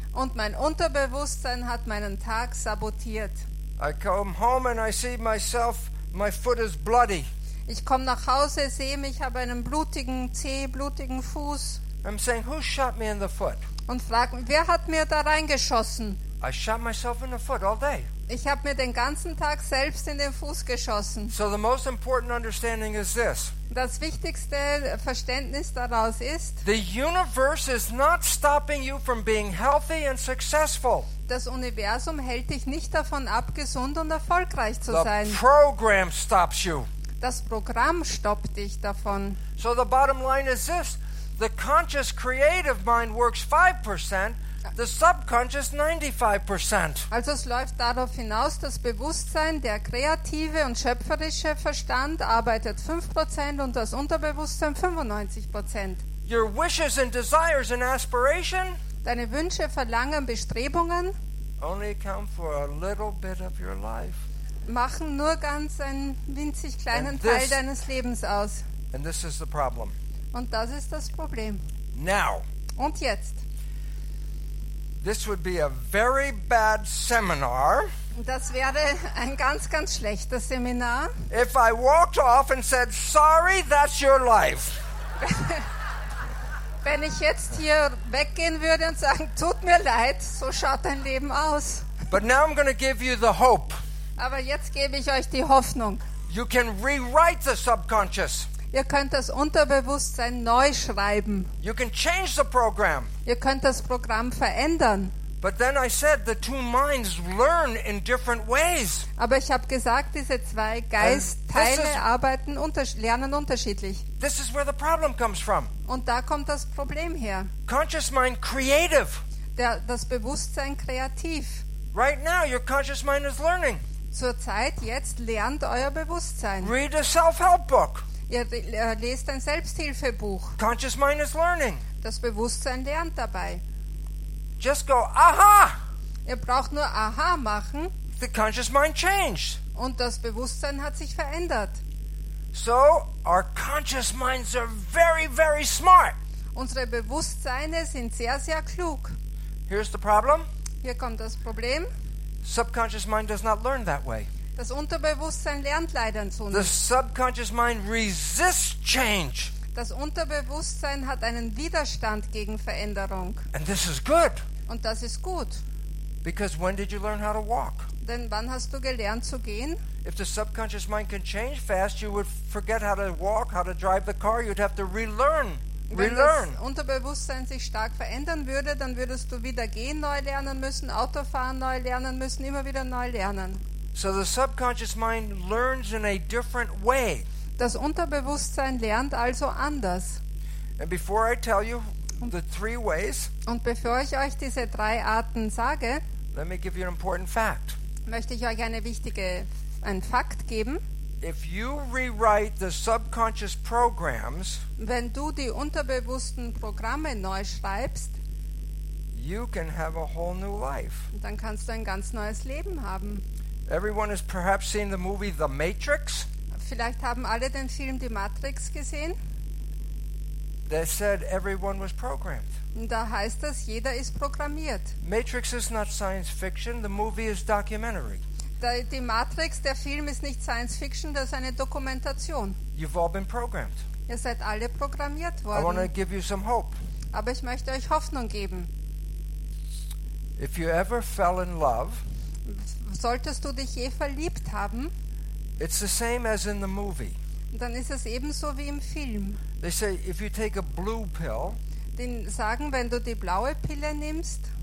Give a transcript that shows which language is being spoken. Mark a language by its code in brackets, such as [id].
[de] Und mein Unterbewusstsein hat meinen Tag sabotiert. [en] I come home and I see myself, my foot is bloody. [de] Ich komme nach Hause, sehe mich, habe einen blutigen Zeh, blutigen Fuß. [en] I'm saying, who shot me in the foot? [de] Und frage, wer hat mir da reingeschossen? [en] I shot myself in the foot all day. [de] Ich habe mir den ganzen Tag selbst in den Fuß geschossen. [en] So the most important understanding is this. [de] Das wichtigste Verständnis daraus ist, [en] the universe is not stopping you from being healthy and successful. [de] Das Universum hält dich nicht davon ab, gesund und erfolgreich zu sein. [en] The program stops you. [de] Das Programm stoppt dich davon. [en] So the bottom line is this. The conscious creative mind works 5%, the subconscious 95%. [de] Also es läuft darauf hinaus, das Bewusstsein, der kreative und schöpferische Verstand arbeitet 5% und das Unterbewusstsein 95%. [en] Your wishes and desires and aspiration, [de] deine Wünsche, Verlangen, Bestrebungen [en] only account for a little bit of your life. [de] Machen nur ganz einen winzig kleinen [en] this, [de] Teil deines Lebens aus. [en] And this is the problem. [de] Und das ist das Problem. [en] Now. [de] Und jetzt. [en] This would be a very bad seminar. [de] Das wäre ein ganz, ganz schlechtes Seminar. [en] If I walked off and said, sorry, that's your life. [de] Wenn ich jetzt hier weggehen würde und sagen, tut mir leid, so schaut dein Leben aus. [en] But now I'm going to give you the hope. [de] Aber jetzt gebe ich euch die Hoffnung. [en] You can rewrite the subconscious. [de] Ihr könnt das Unterbewusstsein neu schreiben. [en] You can change the program. [de] Ihr könnt das Programm verändern. [en] But then I said the two minds learn in different ways. [de] Aber ich habe gesagt, diese zwei Geistteile lernen unterschiedlich. [en] This is where the problem comes from. [de] Und da kommt das Problem her. [en] Conscious mind creative. [de] Das Bewusstsein kreativ. [en] Right now your conscious mind is learning. [de] Zurzeit jetzt lernt euer Bewusstsein. [en] Read a self-help book. [de] Ihr lest ein Selbsthilfebuch. [en] Conscious mind is learning. [de] Das Bewusstsein lernt dabei. [en] Just go, aha! [de] Ihr braucht nur aha machen. [en] The conscious mind changed. [de] Und das Bewusstsein hat sich verändert. [en] So, our conscious minds are very, very smart. [de] Unsere Bewusstseine sind sehr, sehr klug. [en] Here's the problem. [de] Hier kommt das Problem. [en] Subconscious mind does not learn that way. [de] Das Unterbewusstsein lernt leider so nicht. [en] The subconscious mind resists change. [de] Das Unterbewusstsein hat einen Widerstand gegen Veränderung. [en] And this is good. [de] Und das ist gut. [en] Because when did you learn how to walk? [de] Denn wann hast du gelernt zu gehen? [en] If the subconscious mind can change fast, you would forget how to walk, how to drive the car. You'd have to relearn. [de] Wenn das Unterbewusstsein sich stark verändern würde, dann würdest du wieder gehen neu lernen müssen, Autofahren neu lernen müssen, immer wieder neu lernen. [en] So the subconscious mind learns in a different way. [de] Das Unterbewusstsein lernt also anders. [en] And before I tell you the three ways, [de] und bevor ich euch diese drei Arten sage, [en] let me give you an important fact. [de] Möchte ich euch einen Fakt geben. [en] If you rewrite the subconscious programs, [de] wenn du die unterbewussten Programme neu schreibst, [en] you can have a whole new life. [de] Dann kannst du ein ganz neues Leben haben. [en] Everyone has perhaps seen the movie The Matrix. [de] Vielleicht haben alle den Film Die Matrix gesehen. [en] They said everyone was programmed. [de] Da heißt es, jeder ist programmiert. [en] Matrix is not science fiction. The movie is documentary. [de] Die Matrix, der Film ist nicht Science Fiction, das ist eine Dokumentation. [en] You've all been programmed. [de] Ihr seid alle programmiert worden. [en] I want to give you some hope. [de] Aber ich möchte euch Hoffnung geben. [en] If you ever fell in love, [de] solltest du dich je verliebt haben, [en] it's the same as in the movie. [de] Dann ist es ebenso wie im Film. [en] They say, if you take a blue pill, [de] die sagen, wenn du die blaue Pille nimmst,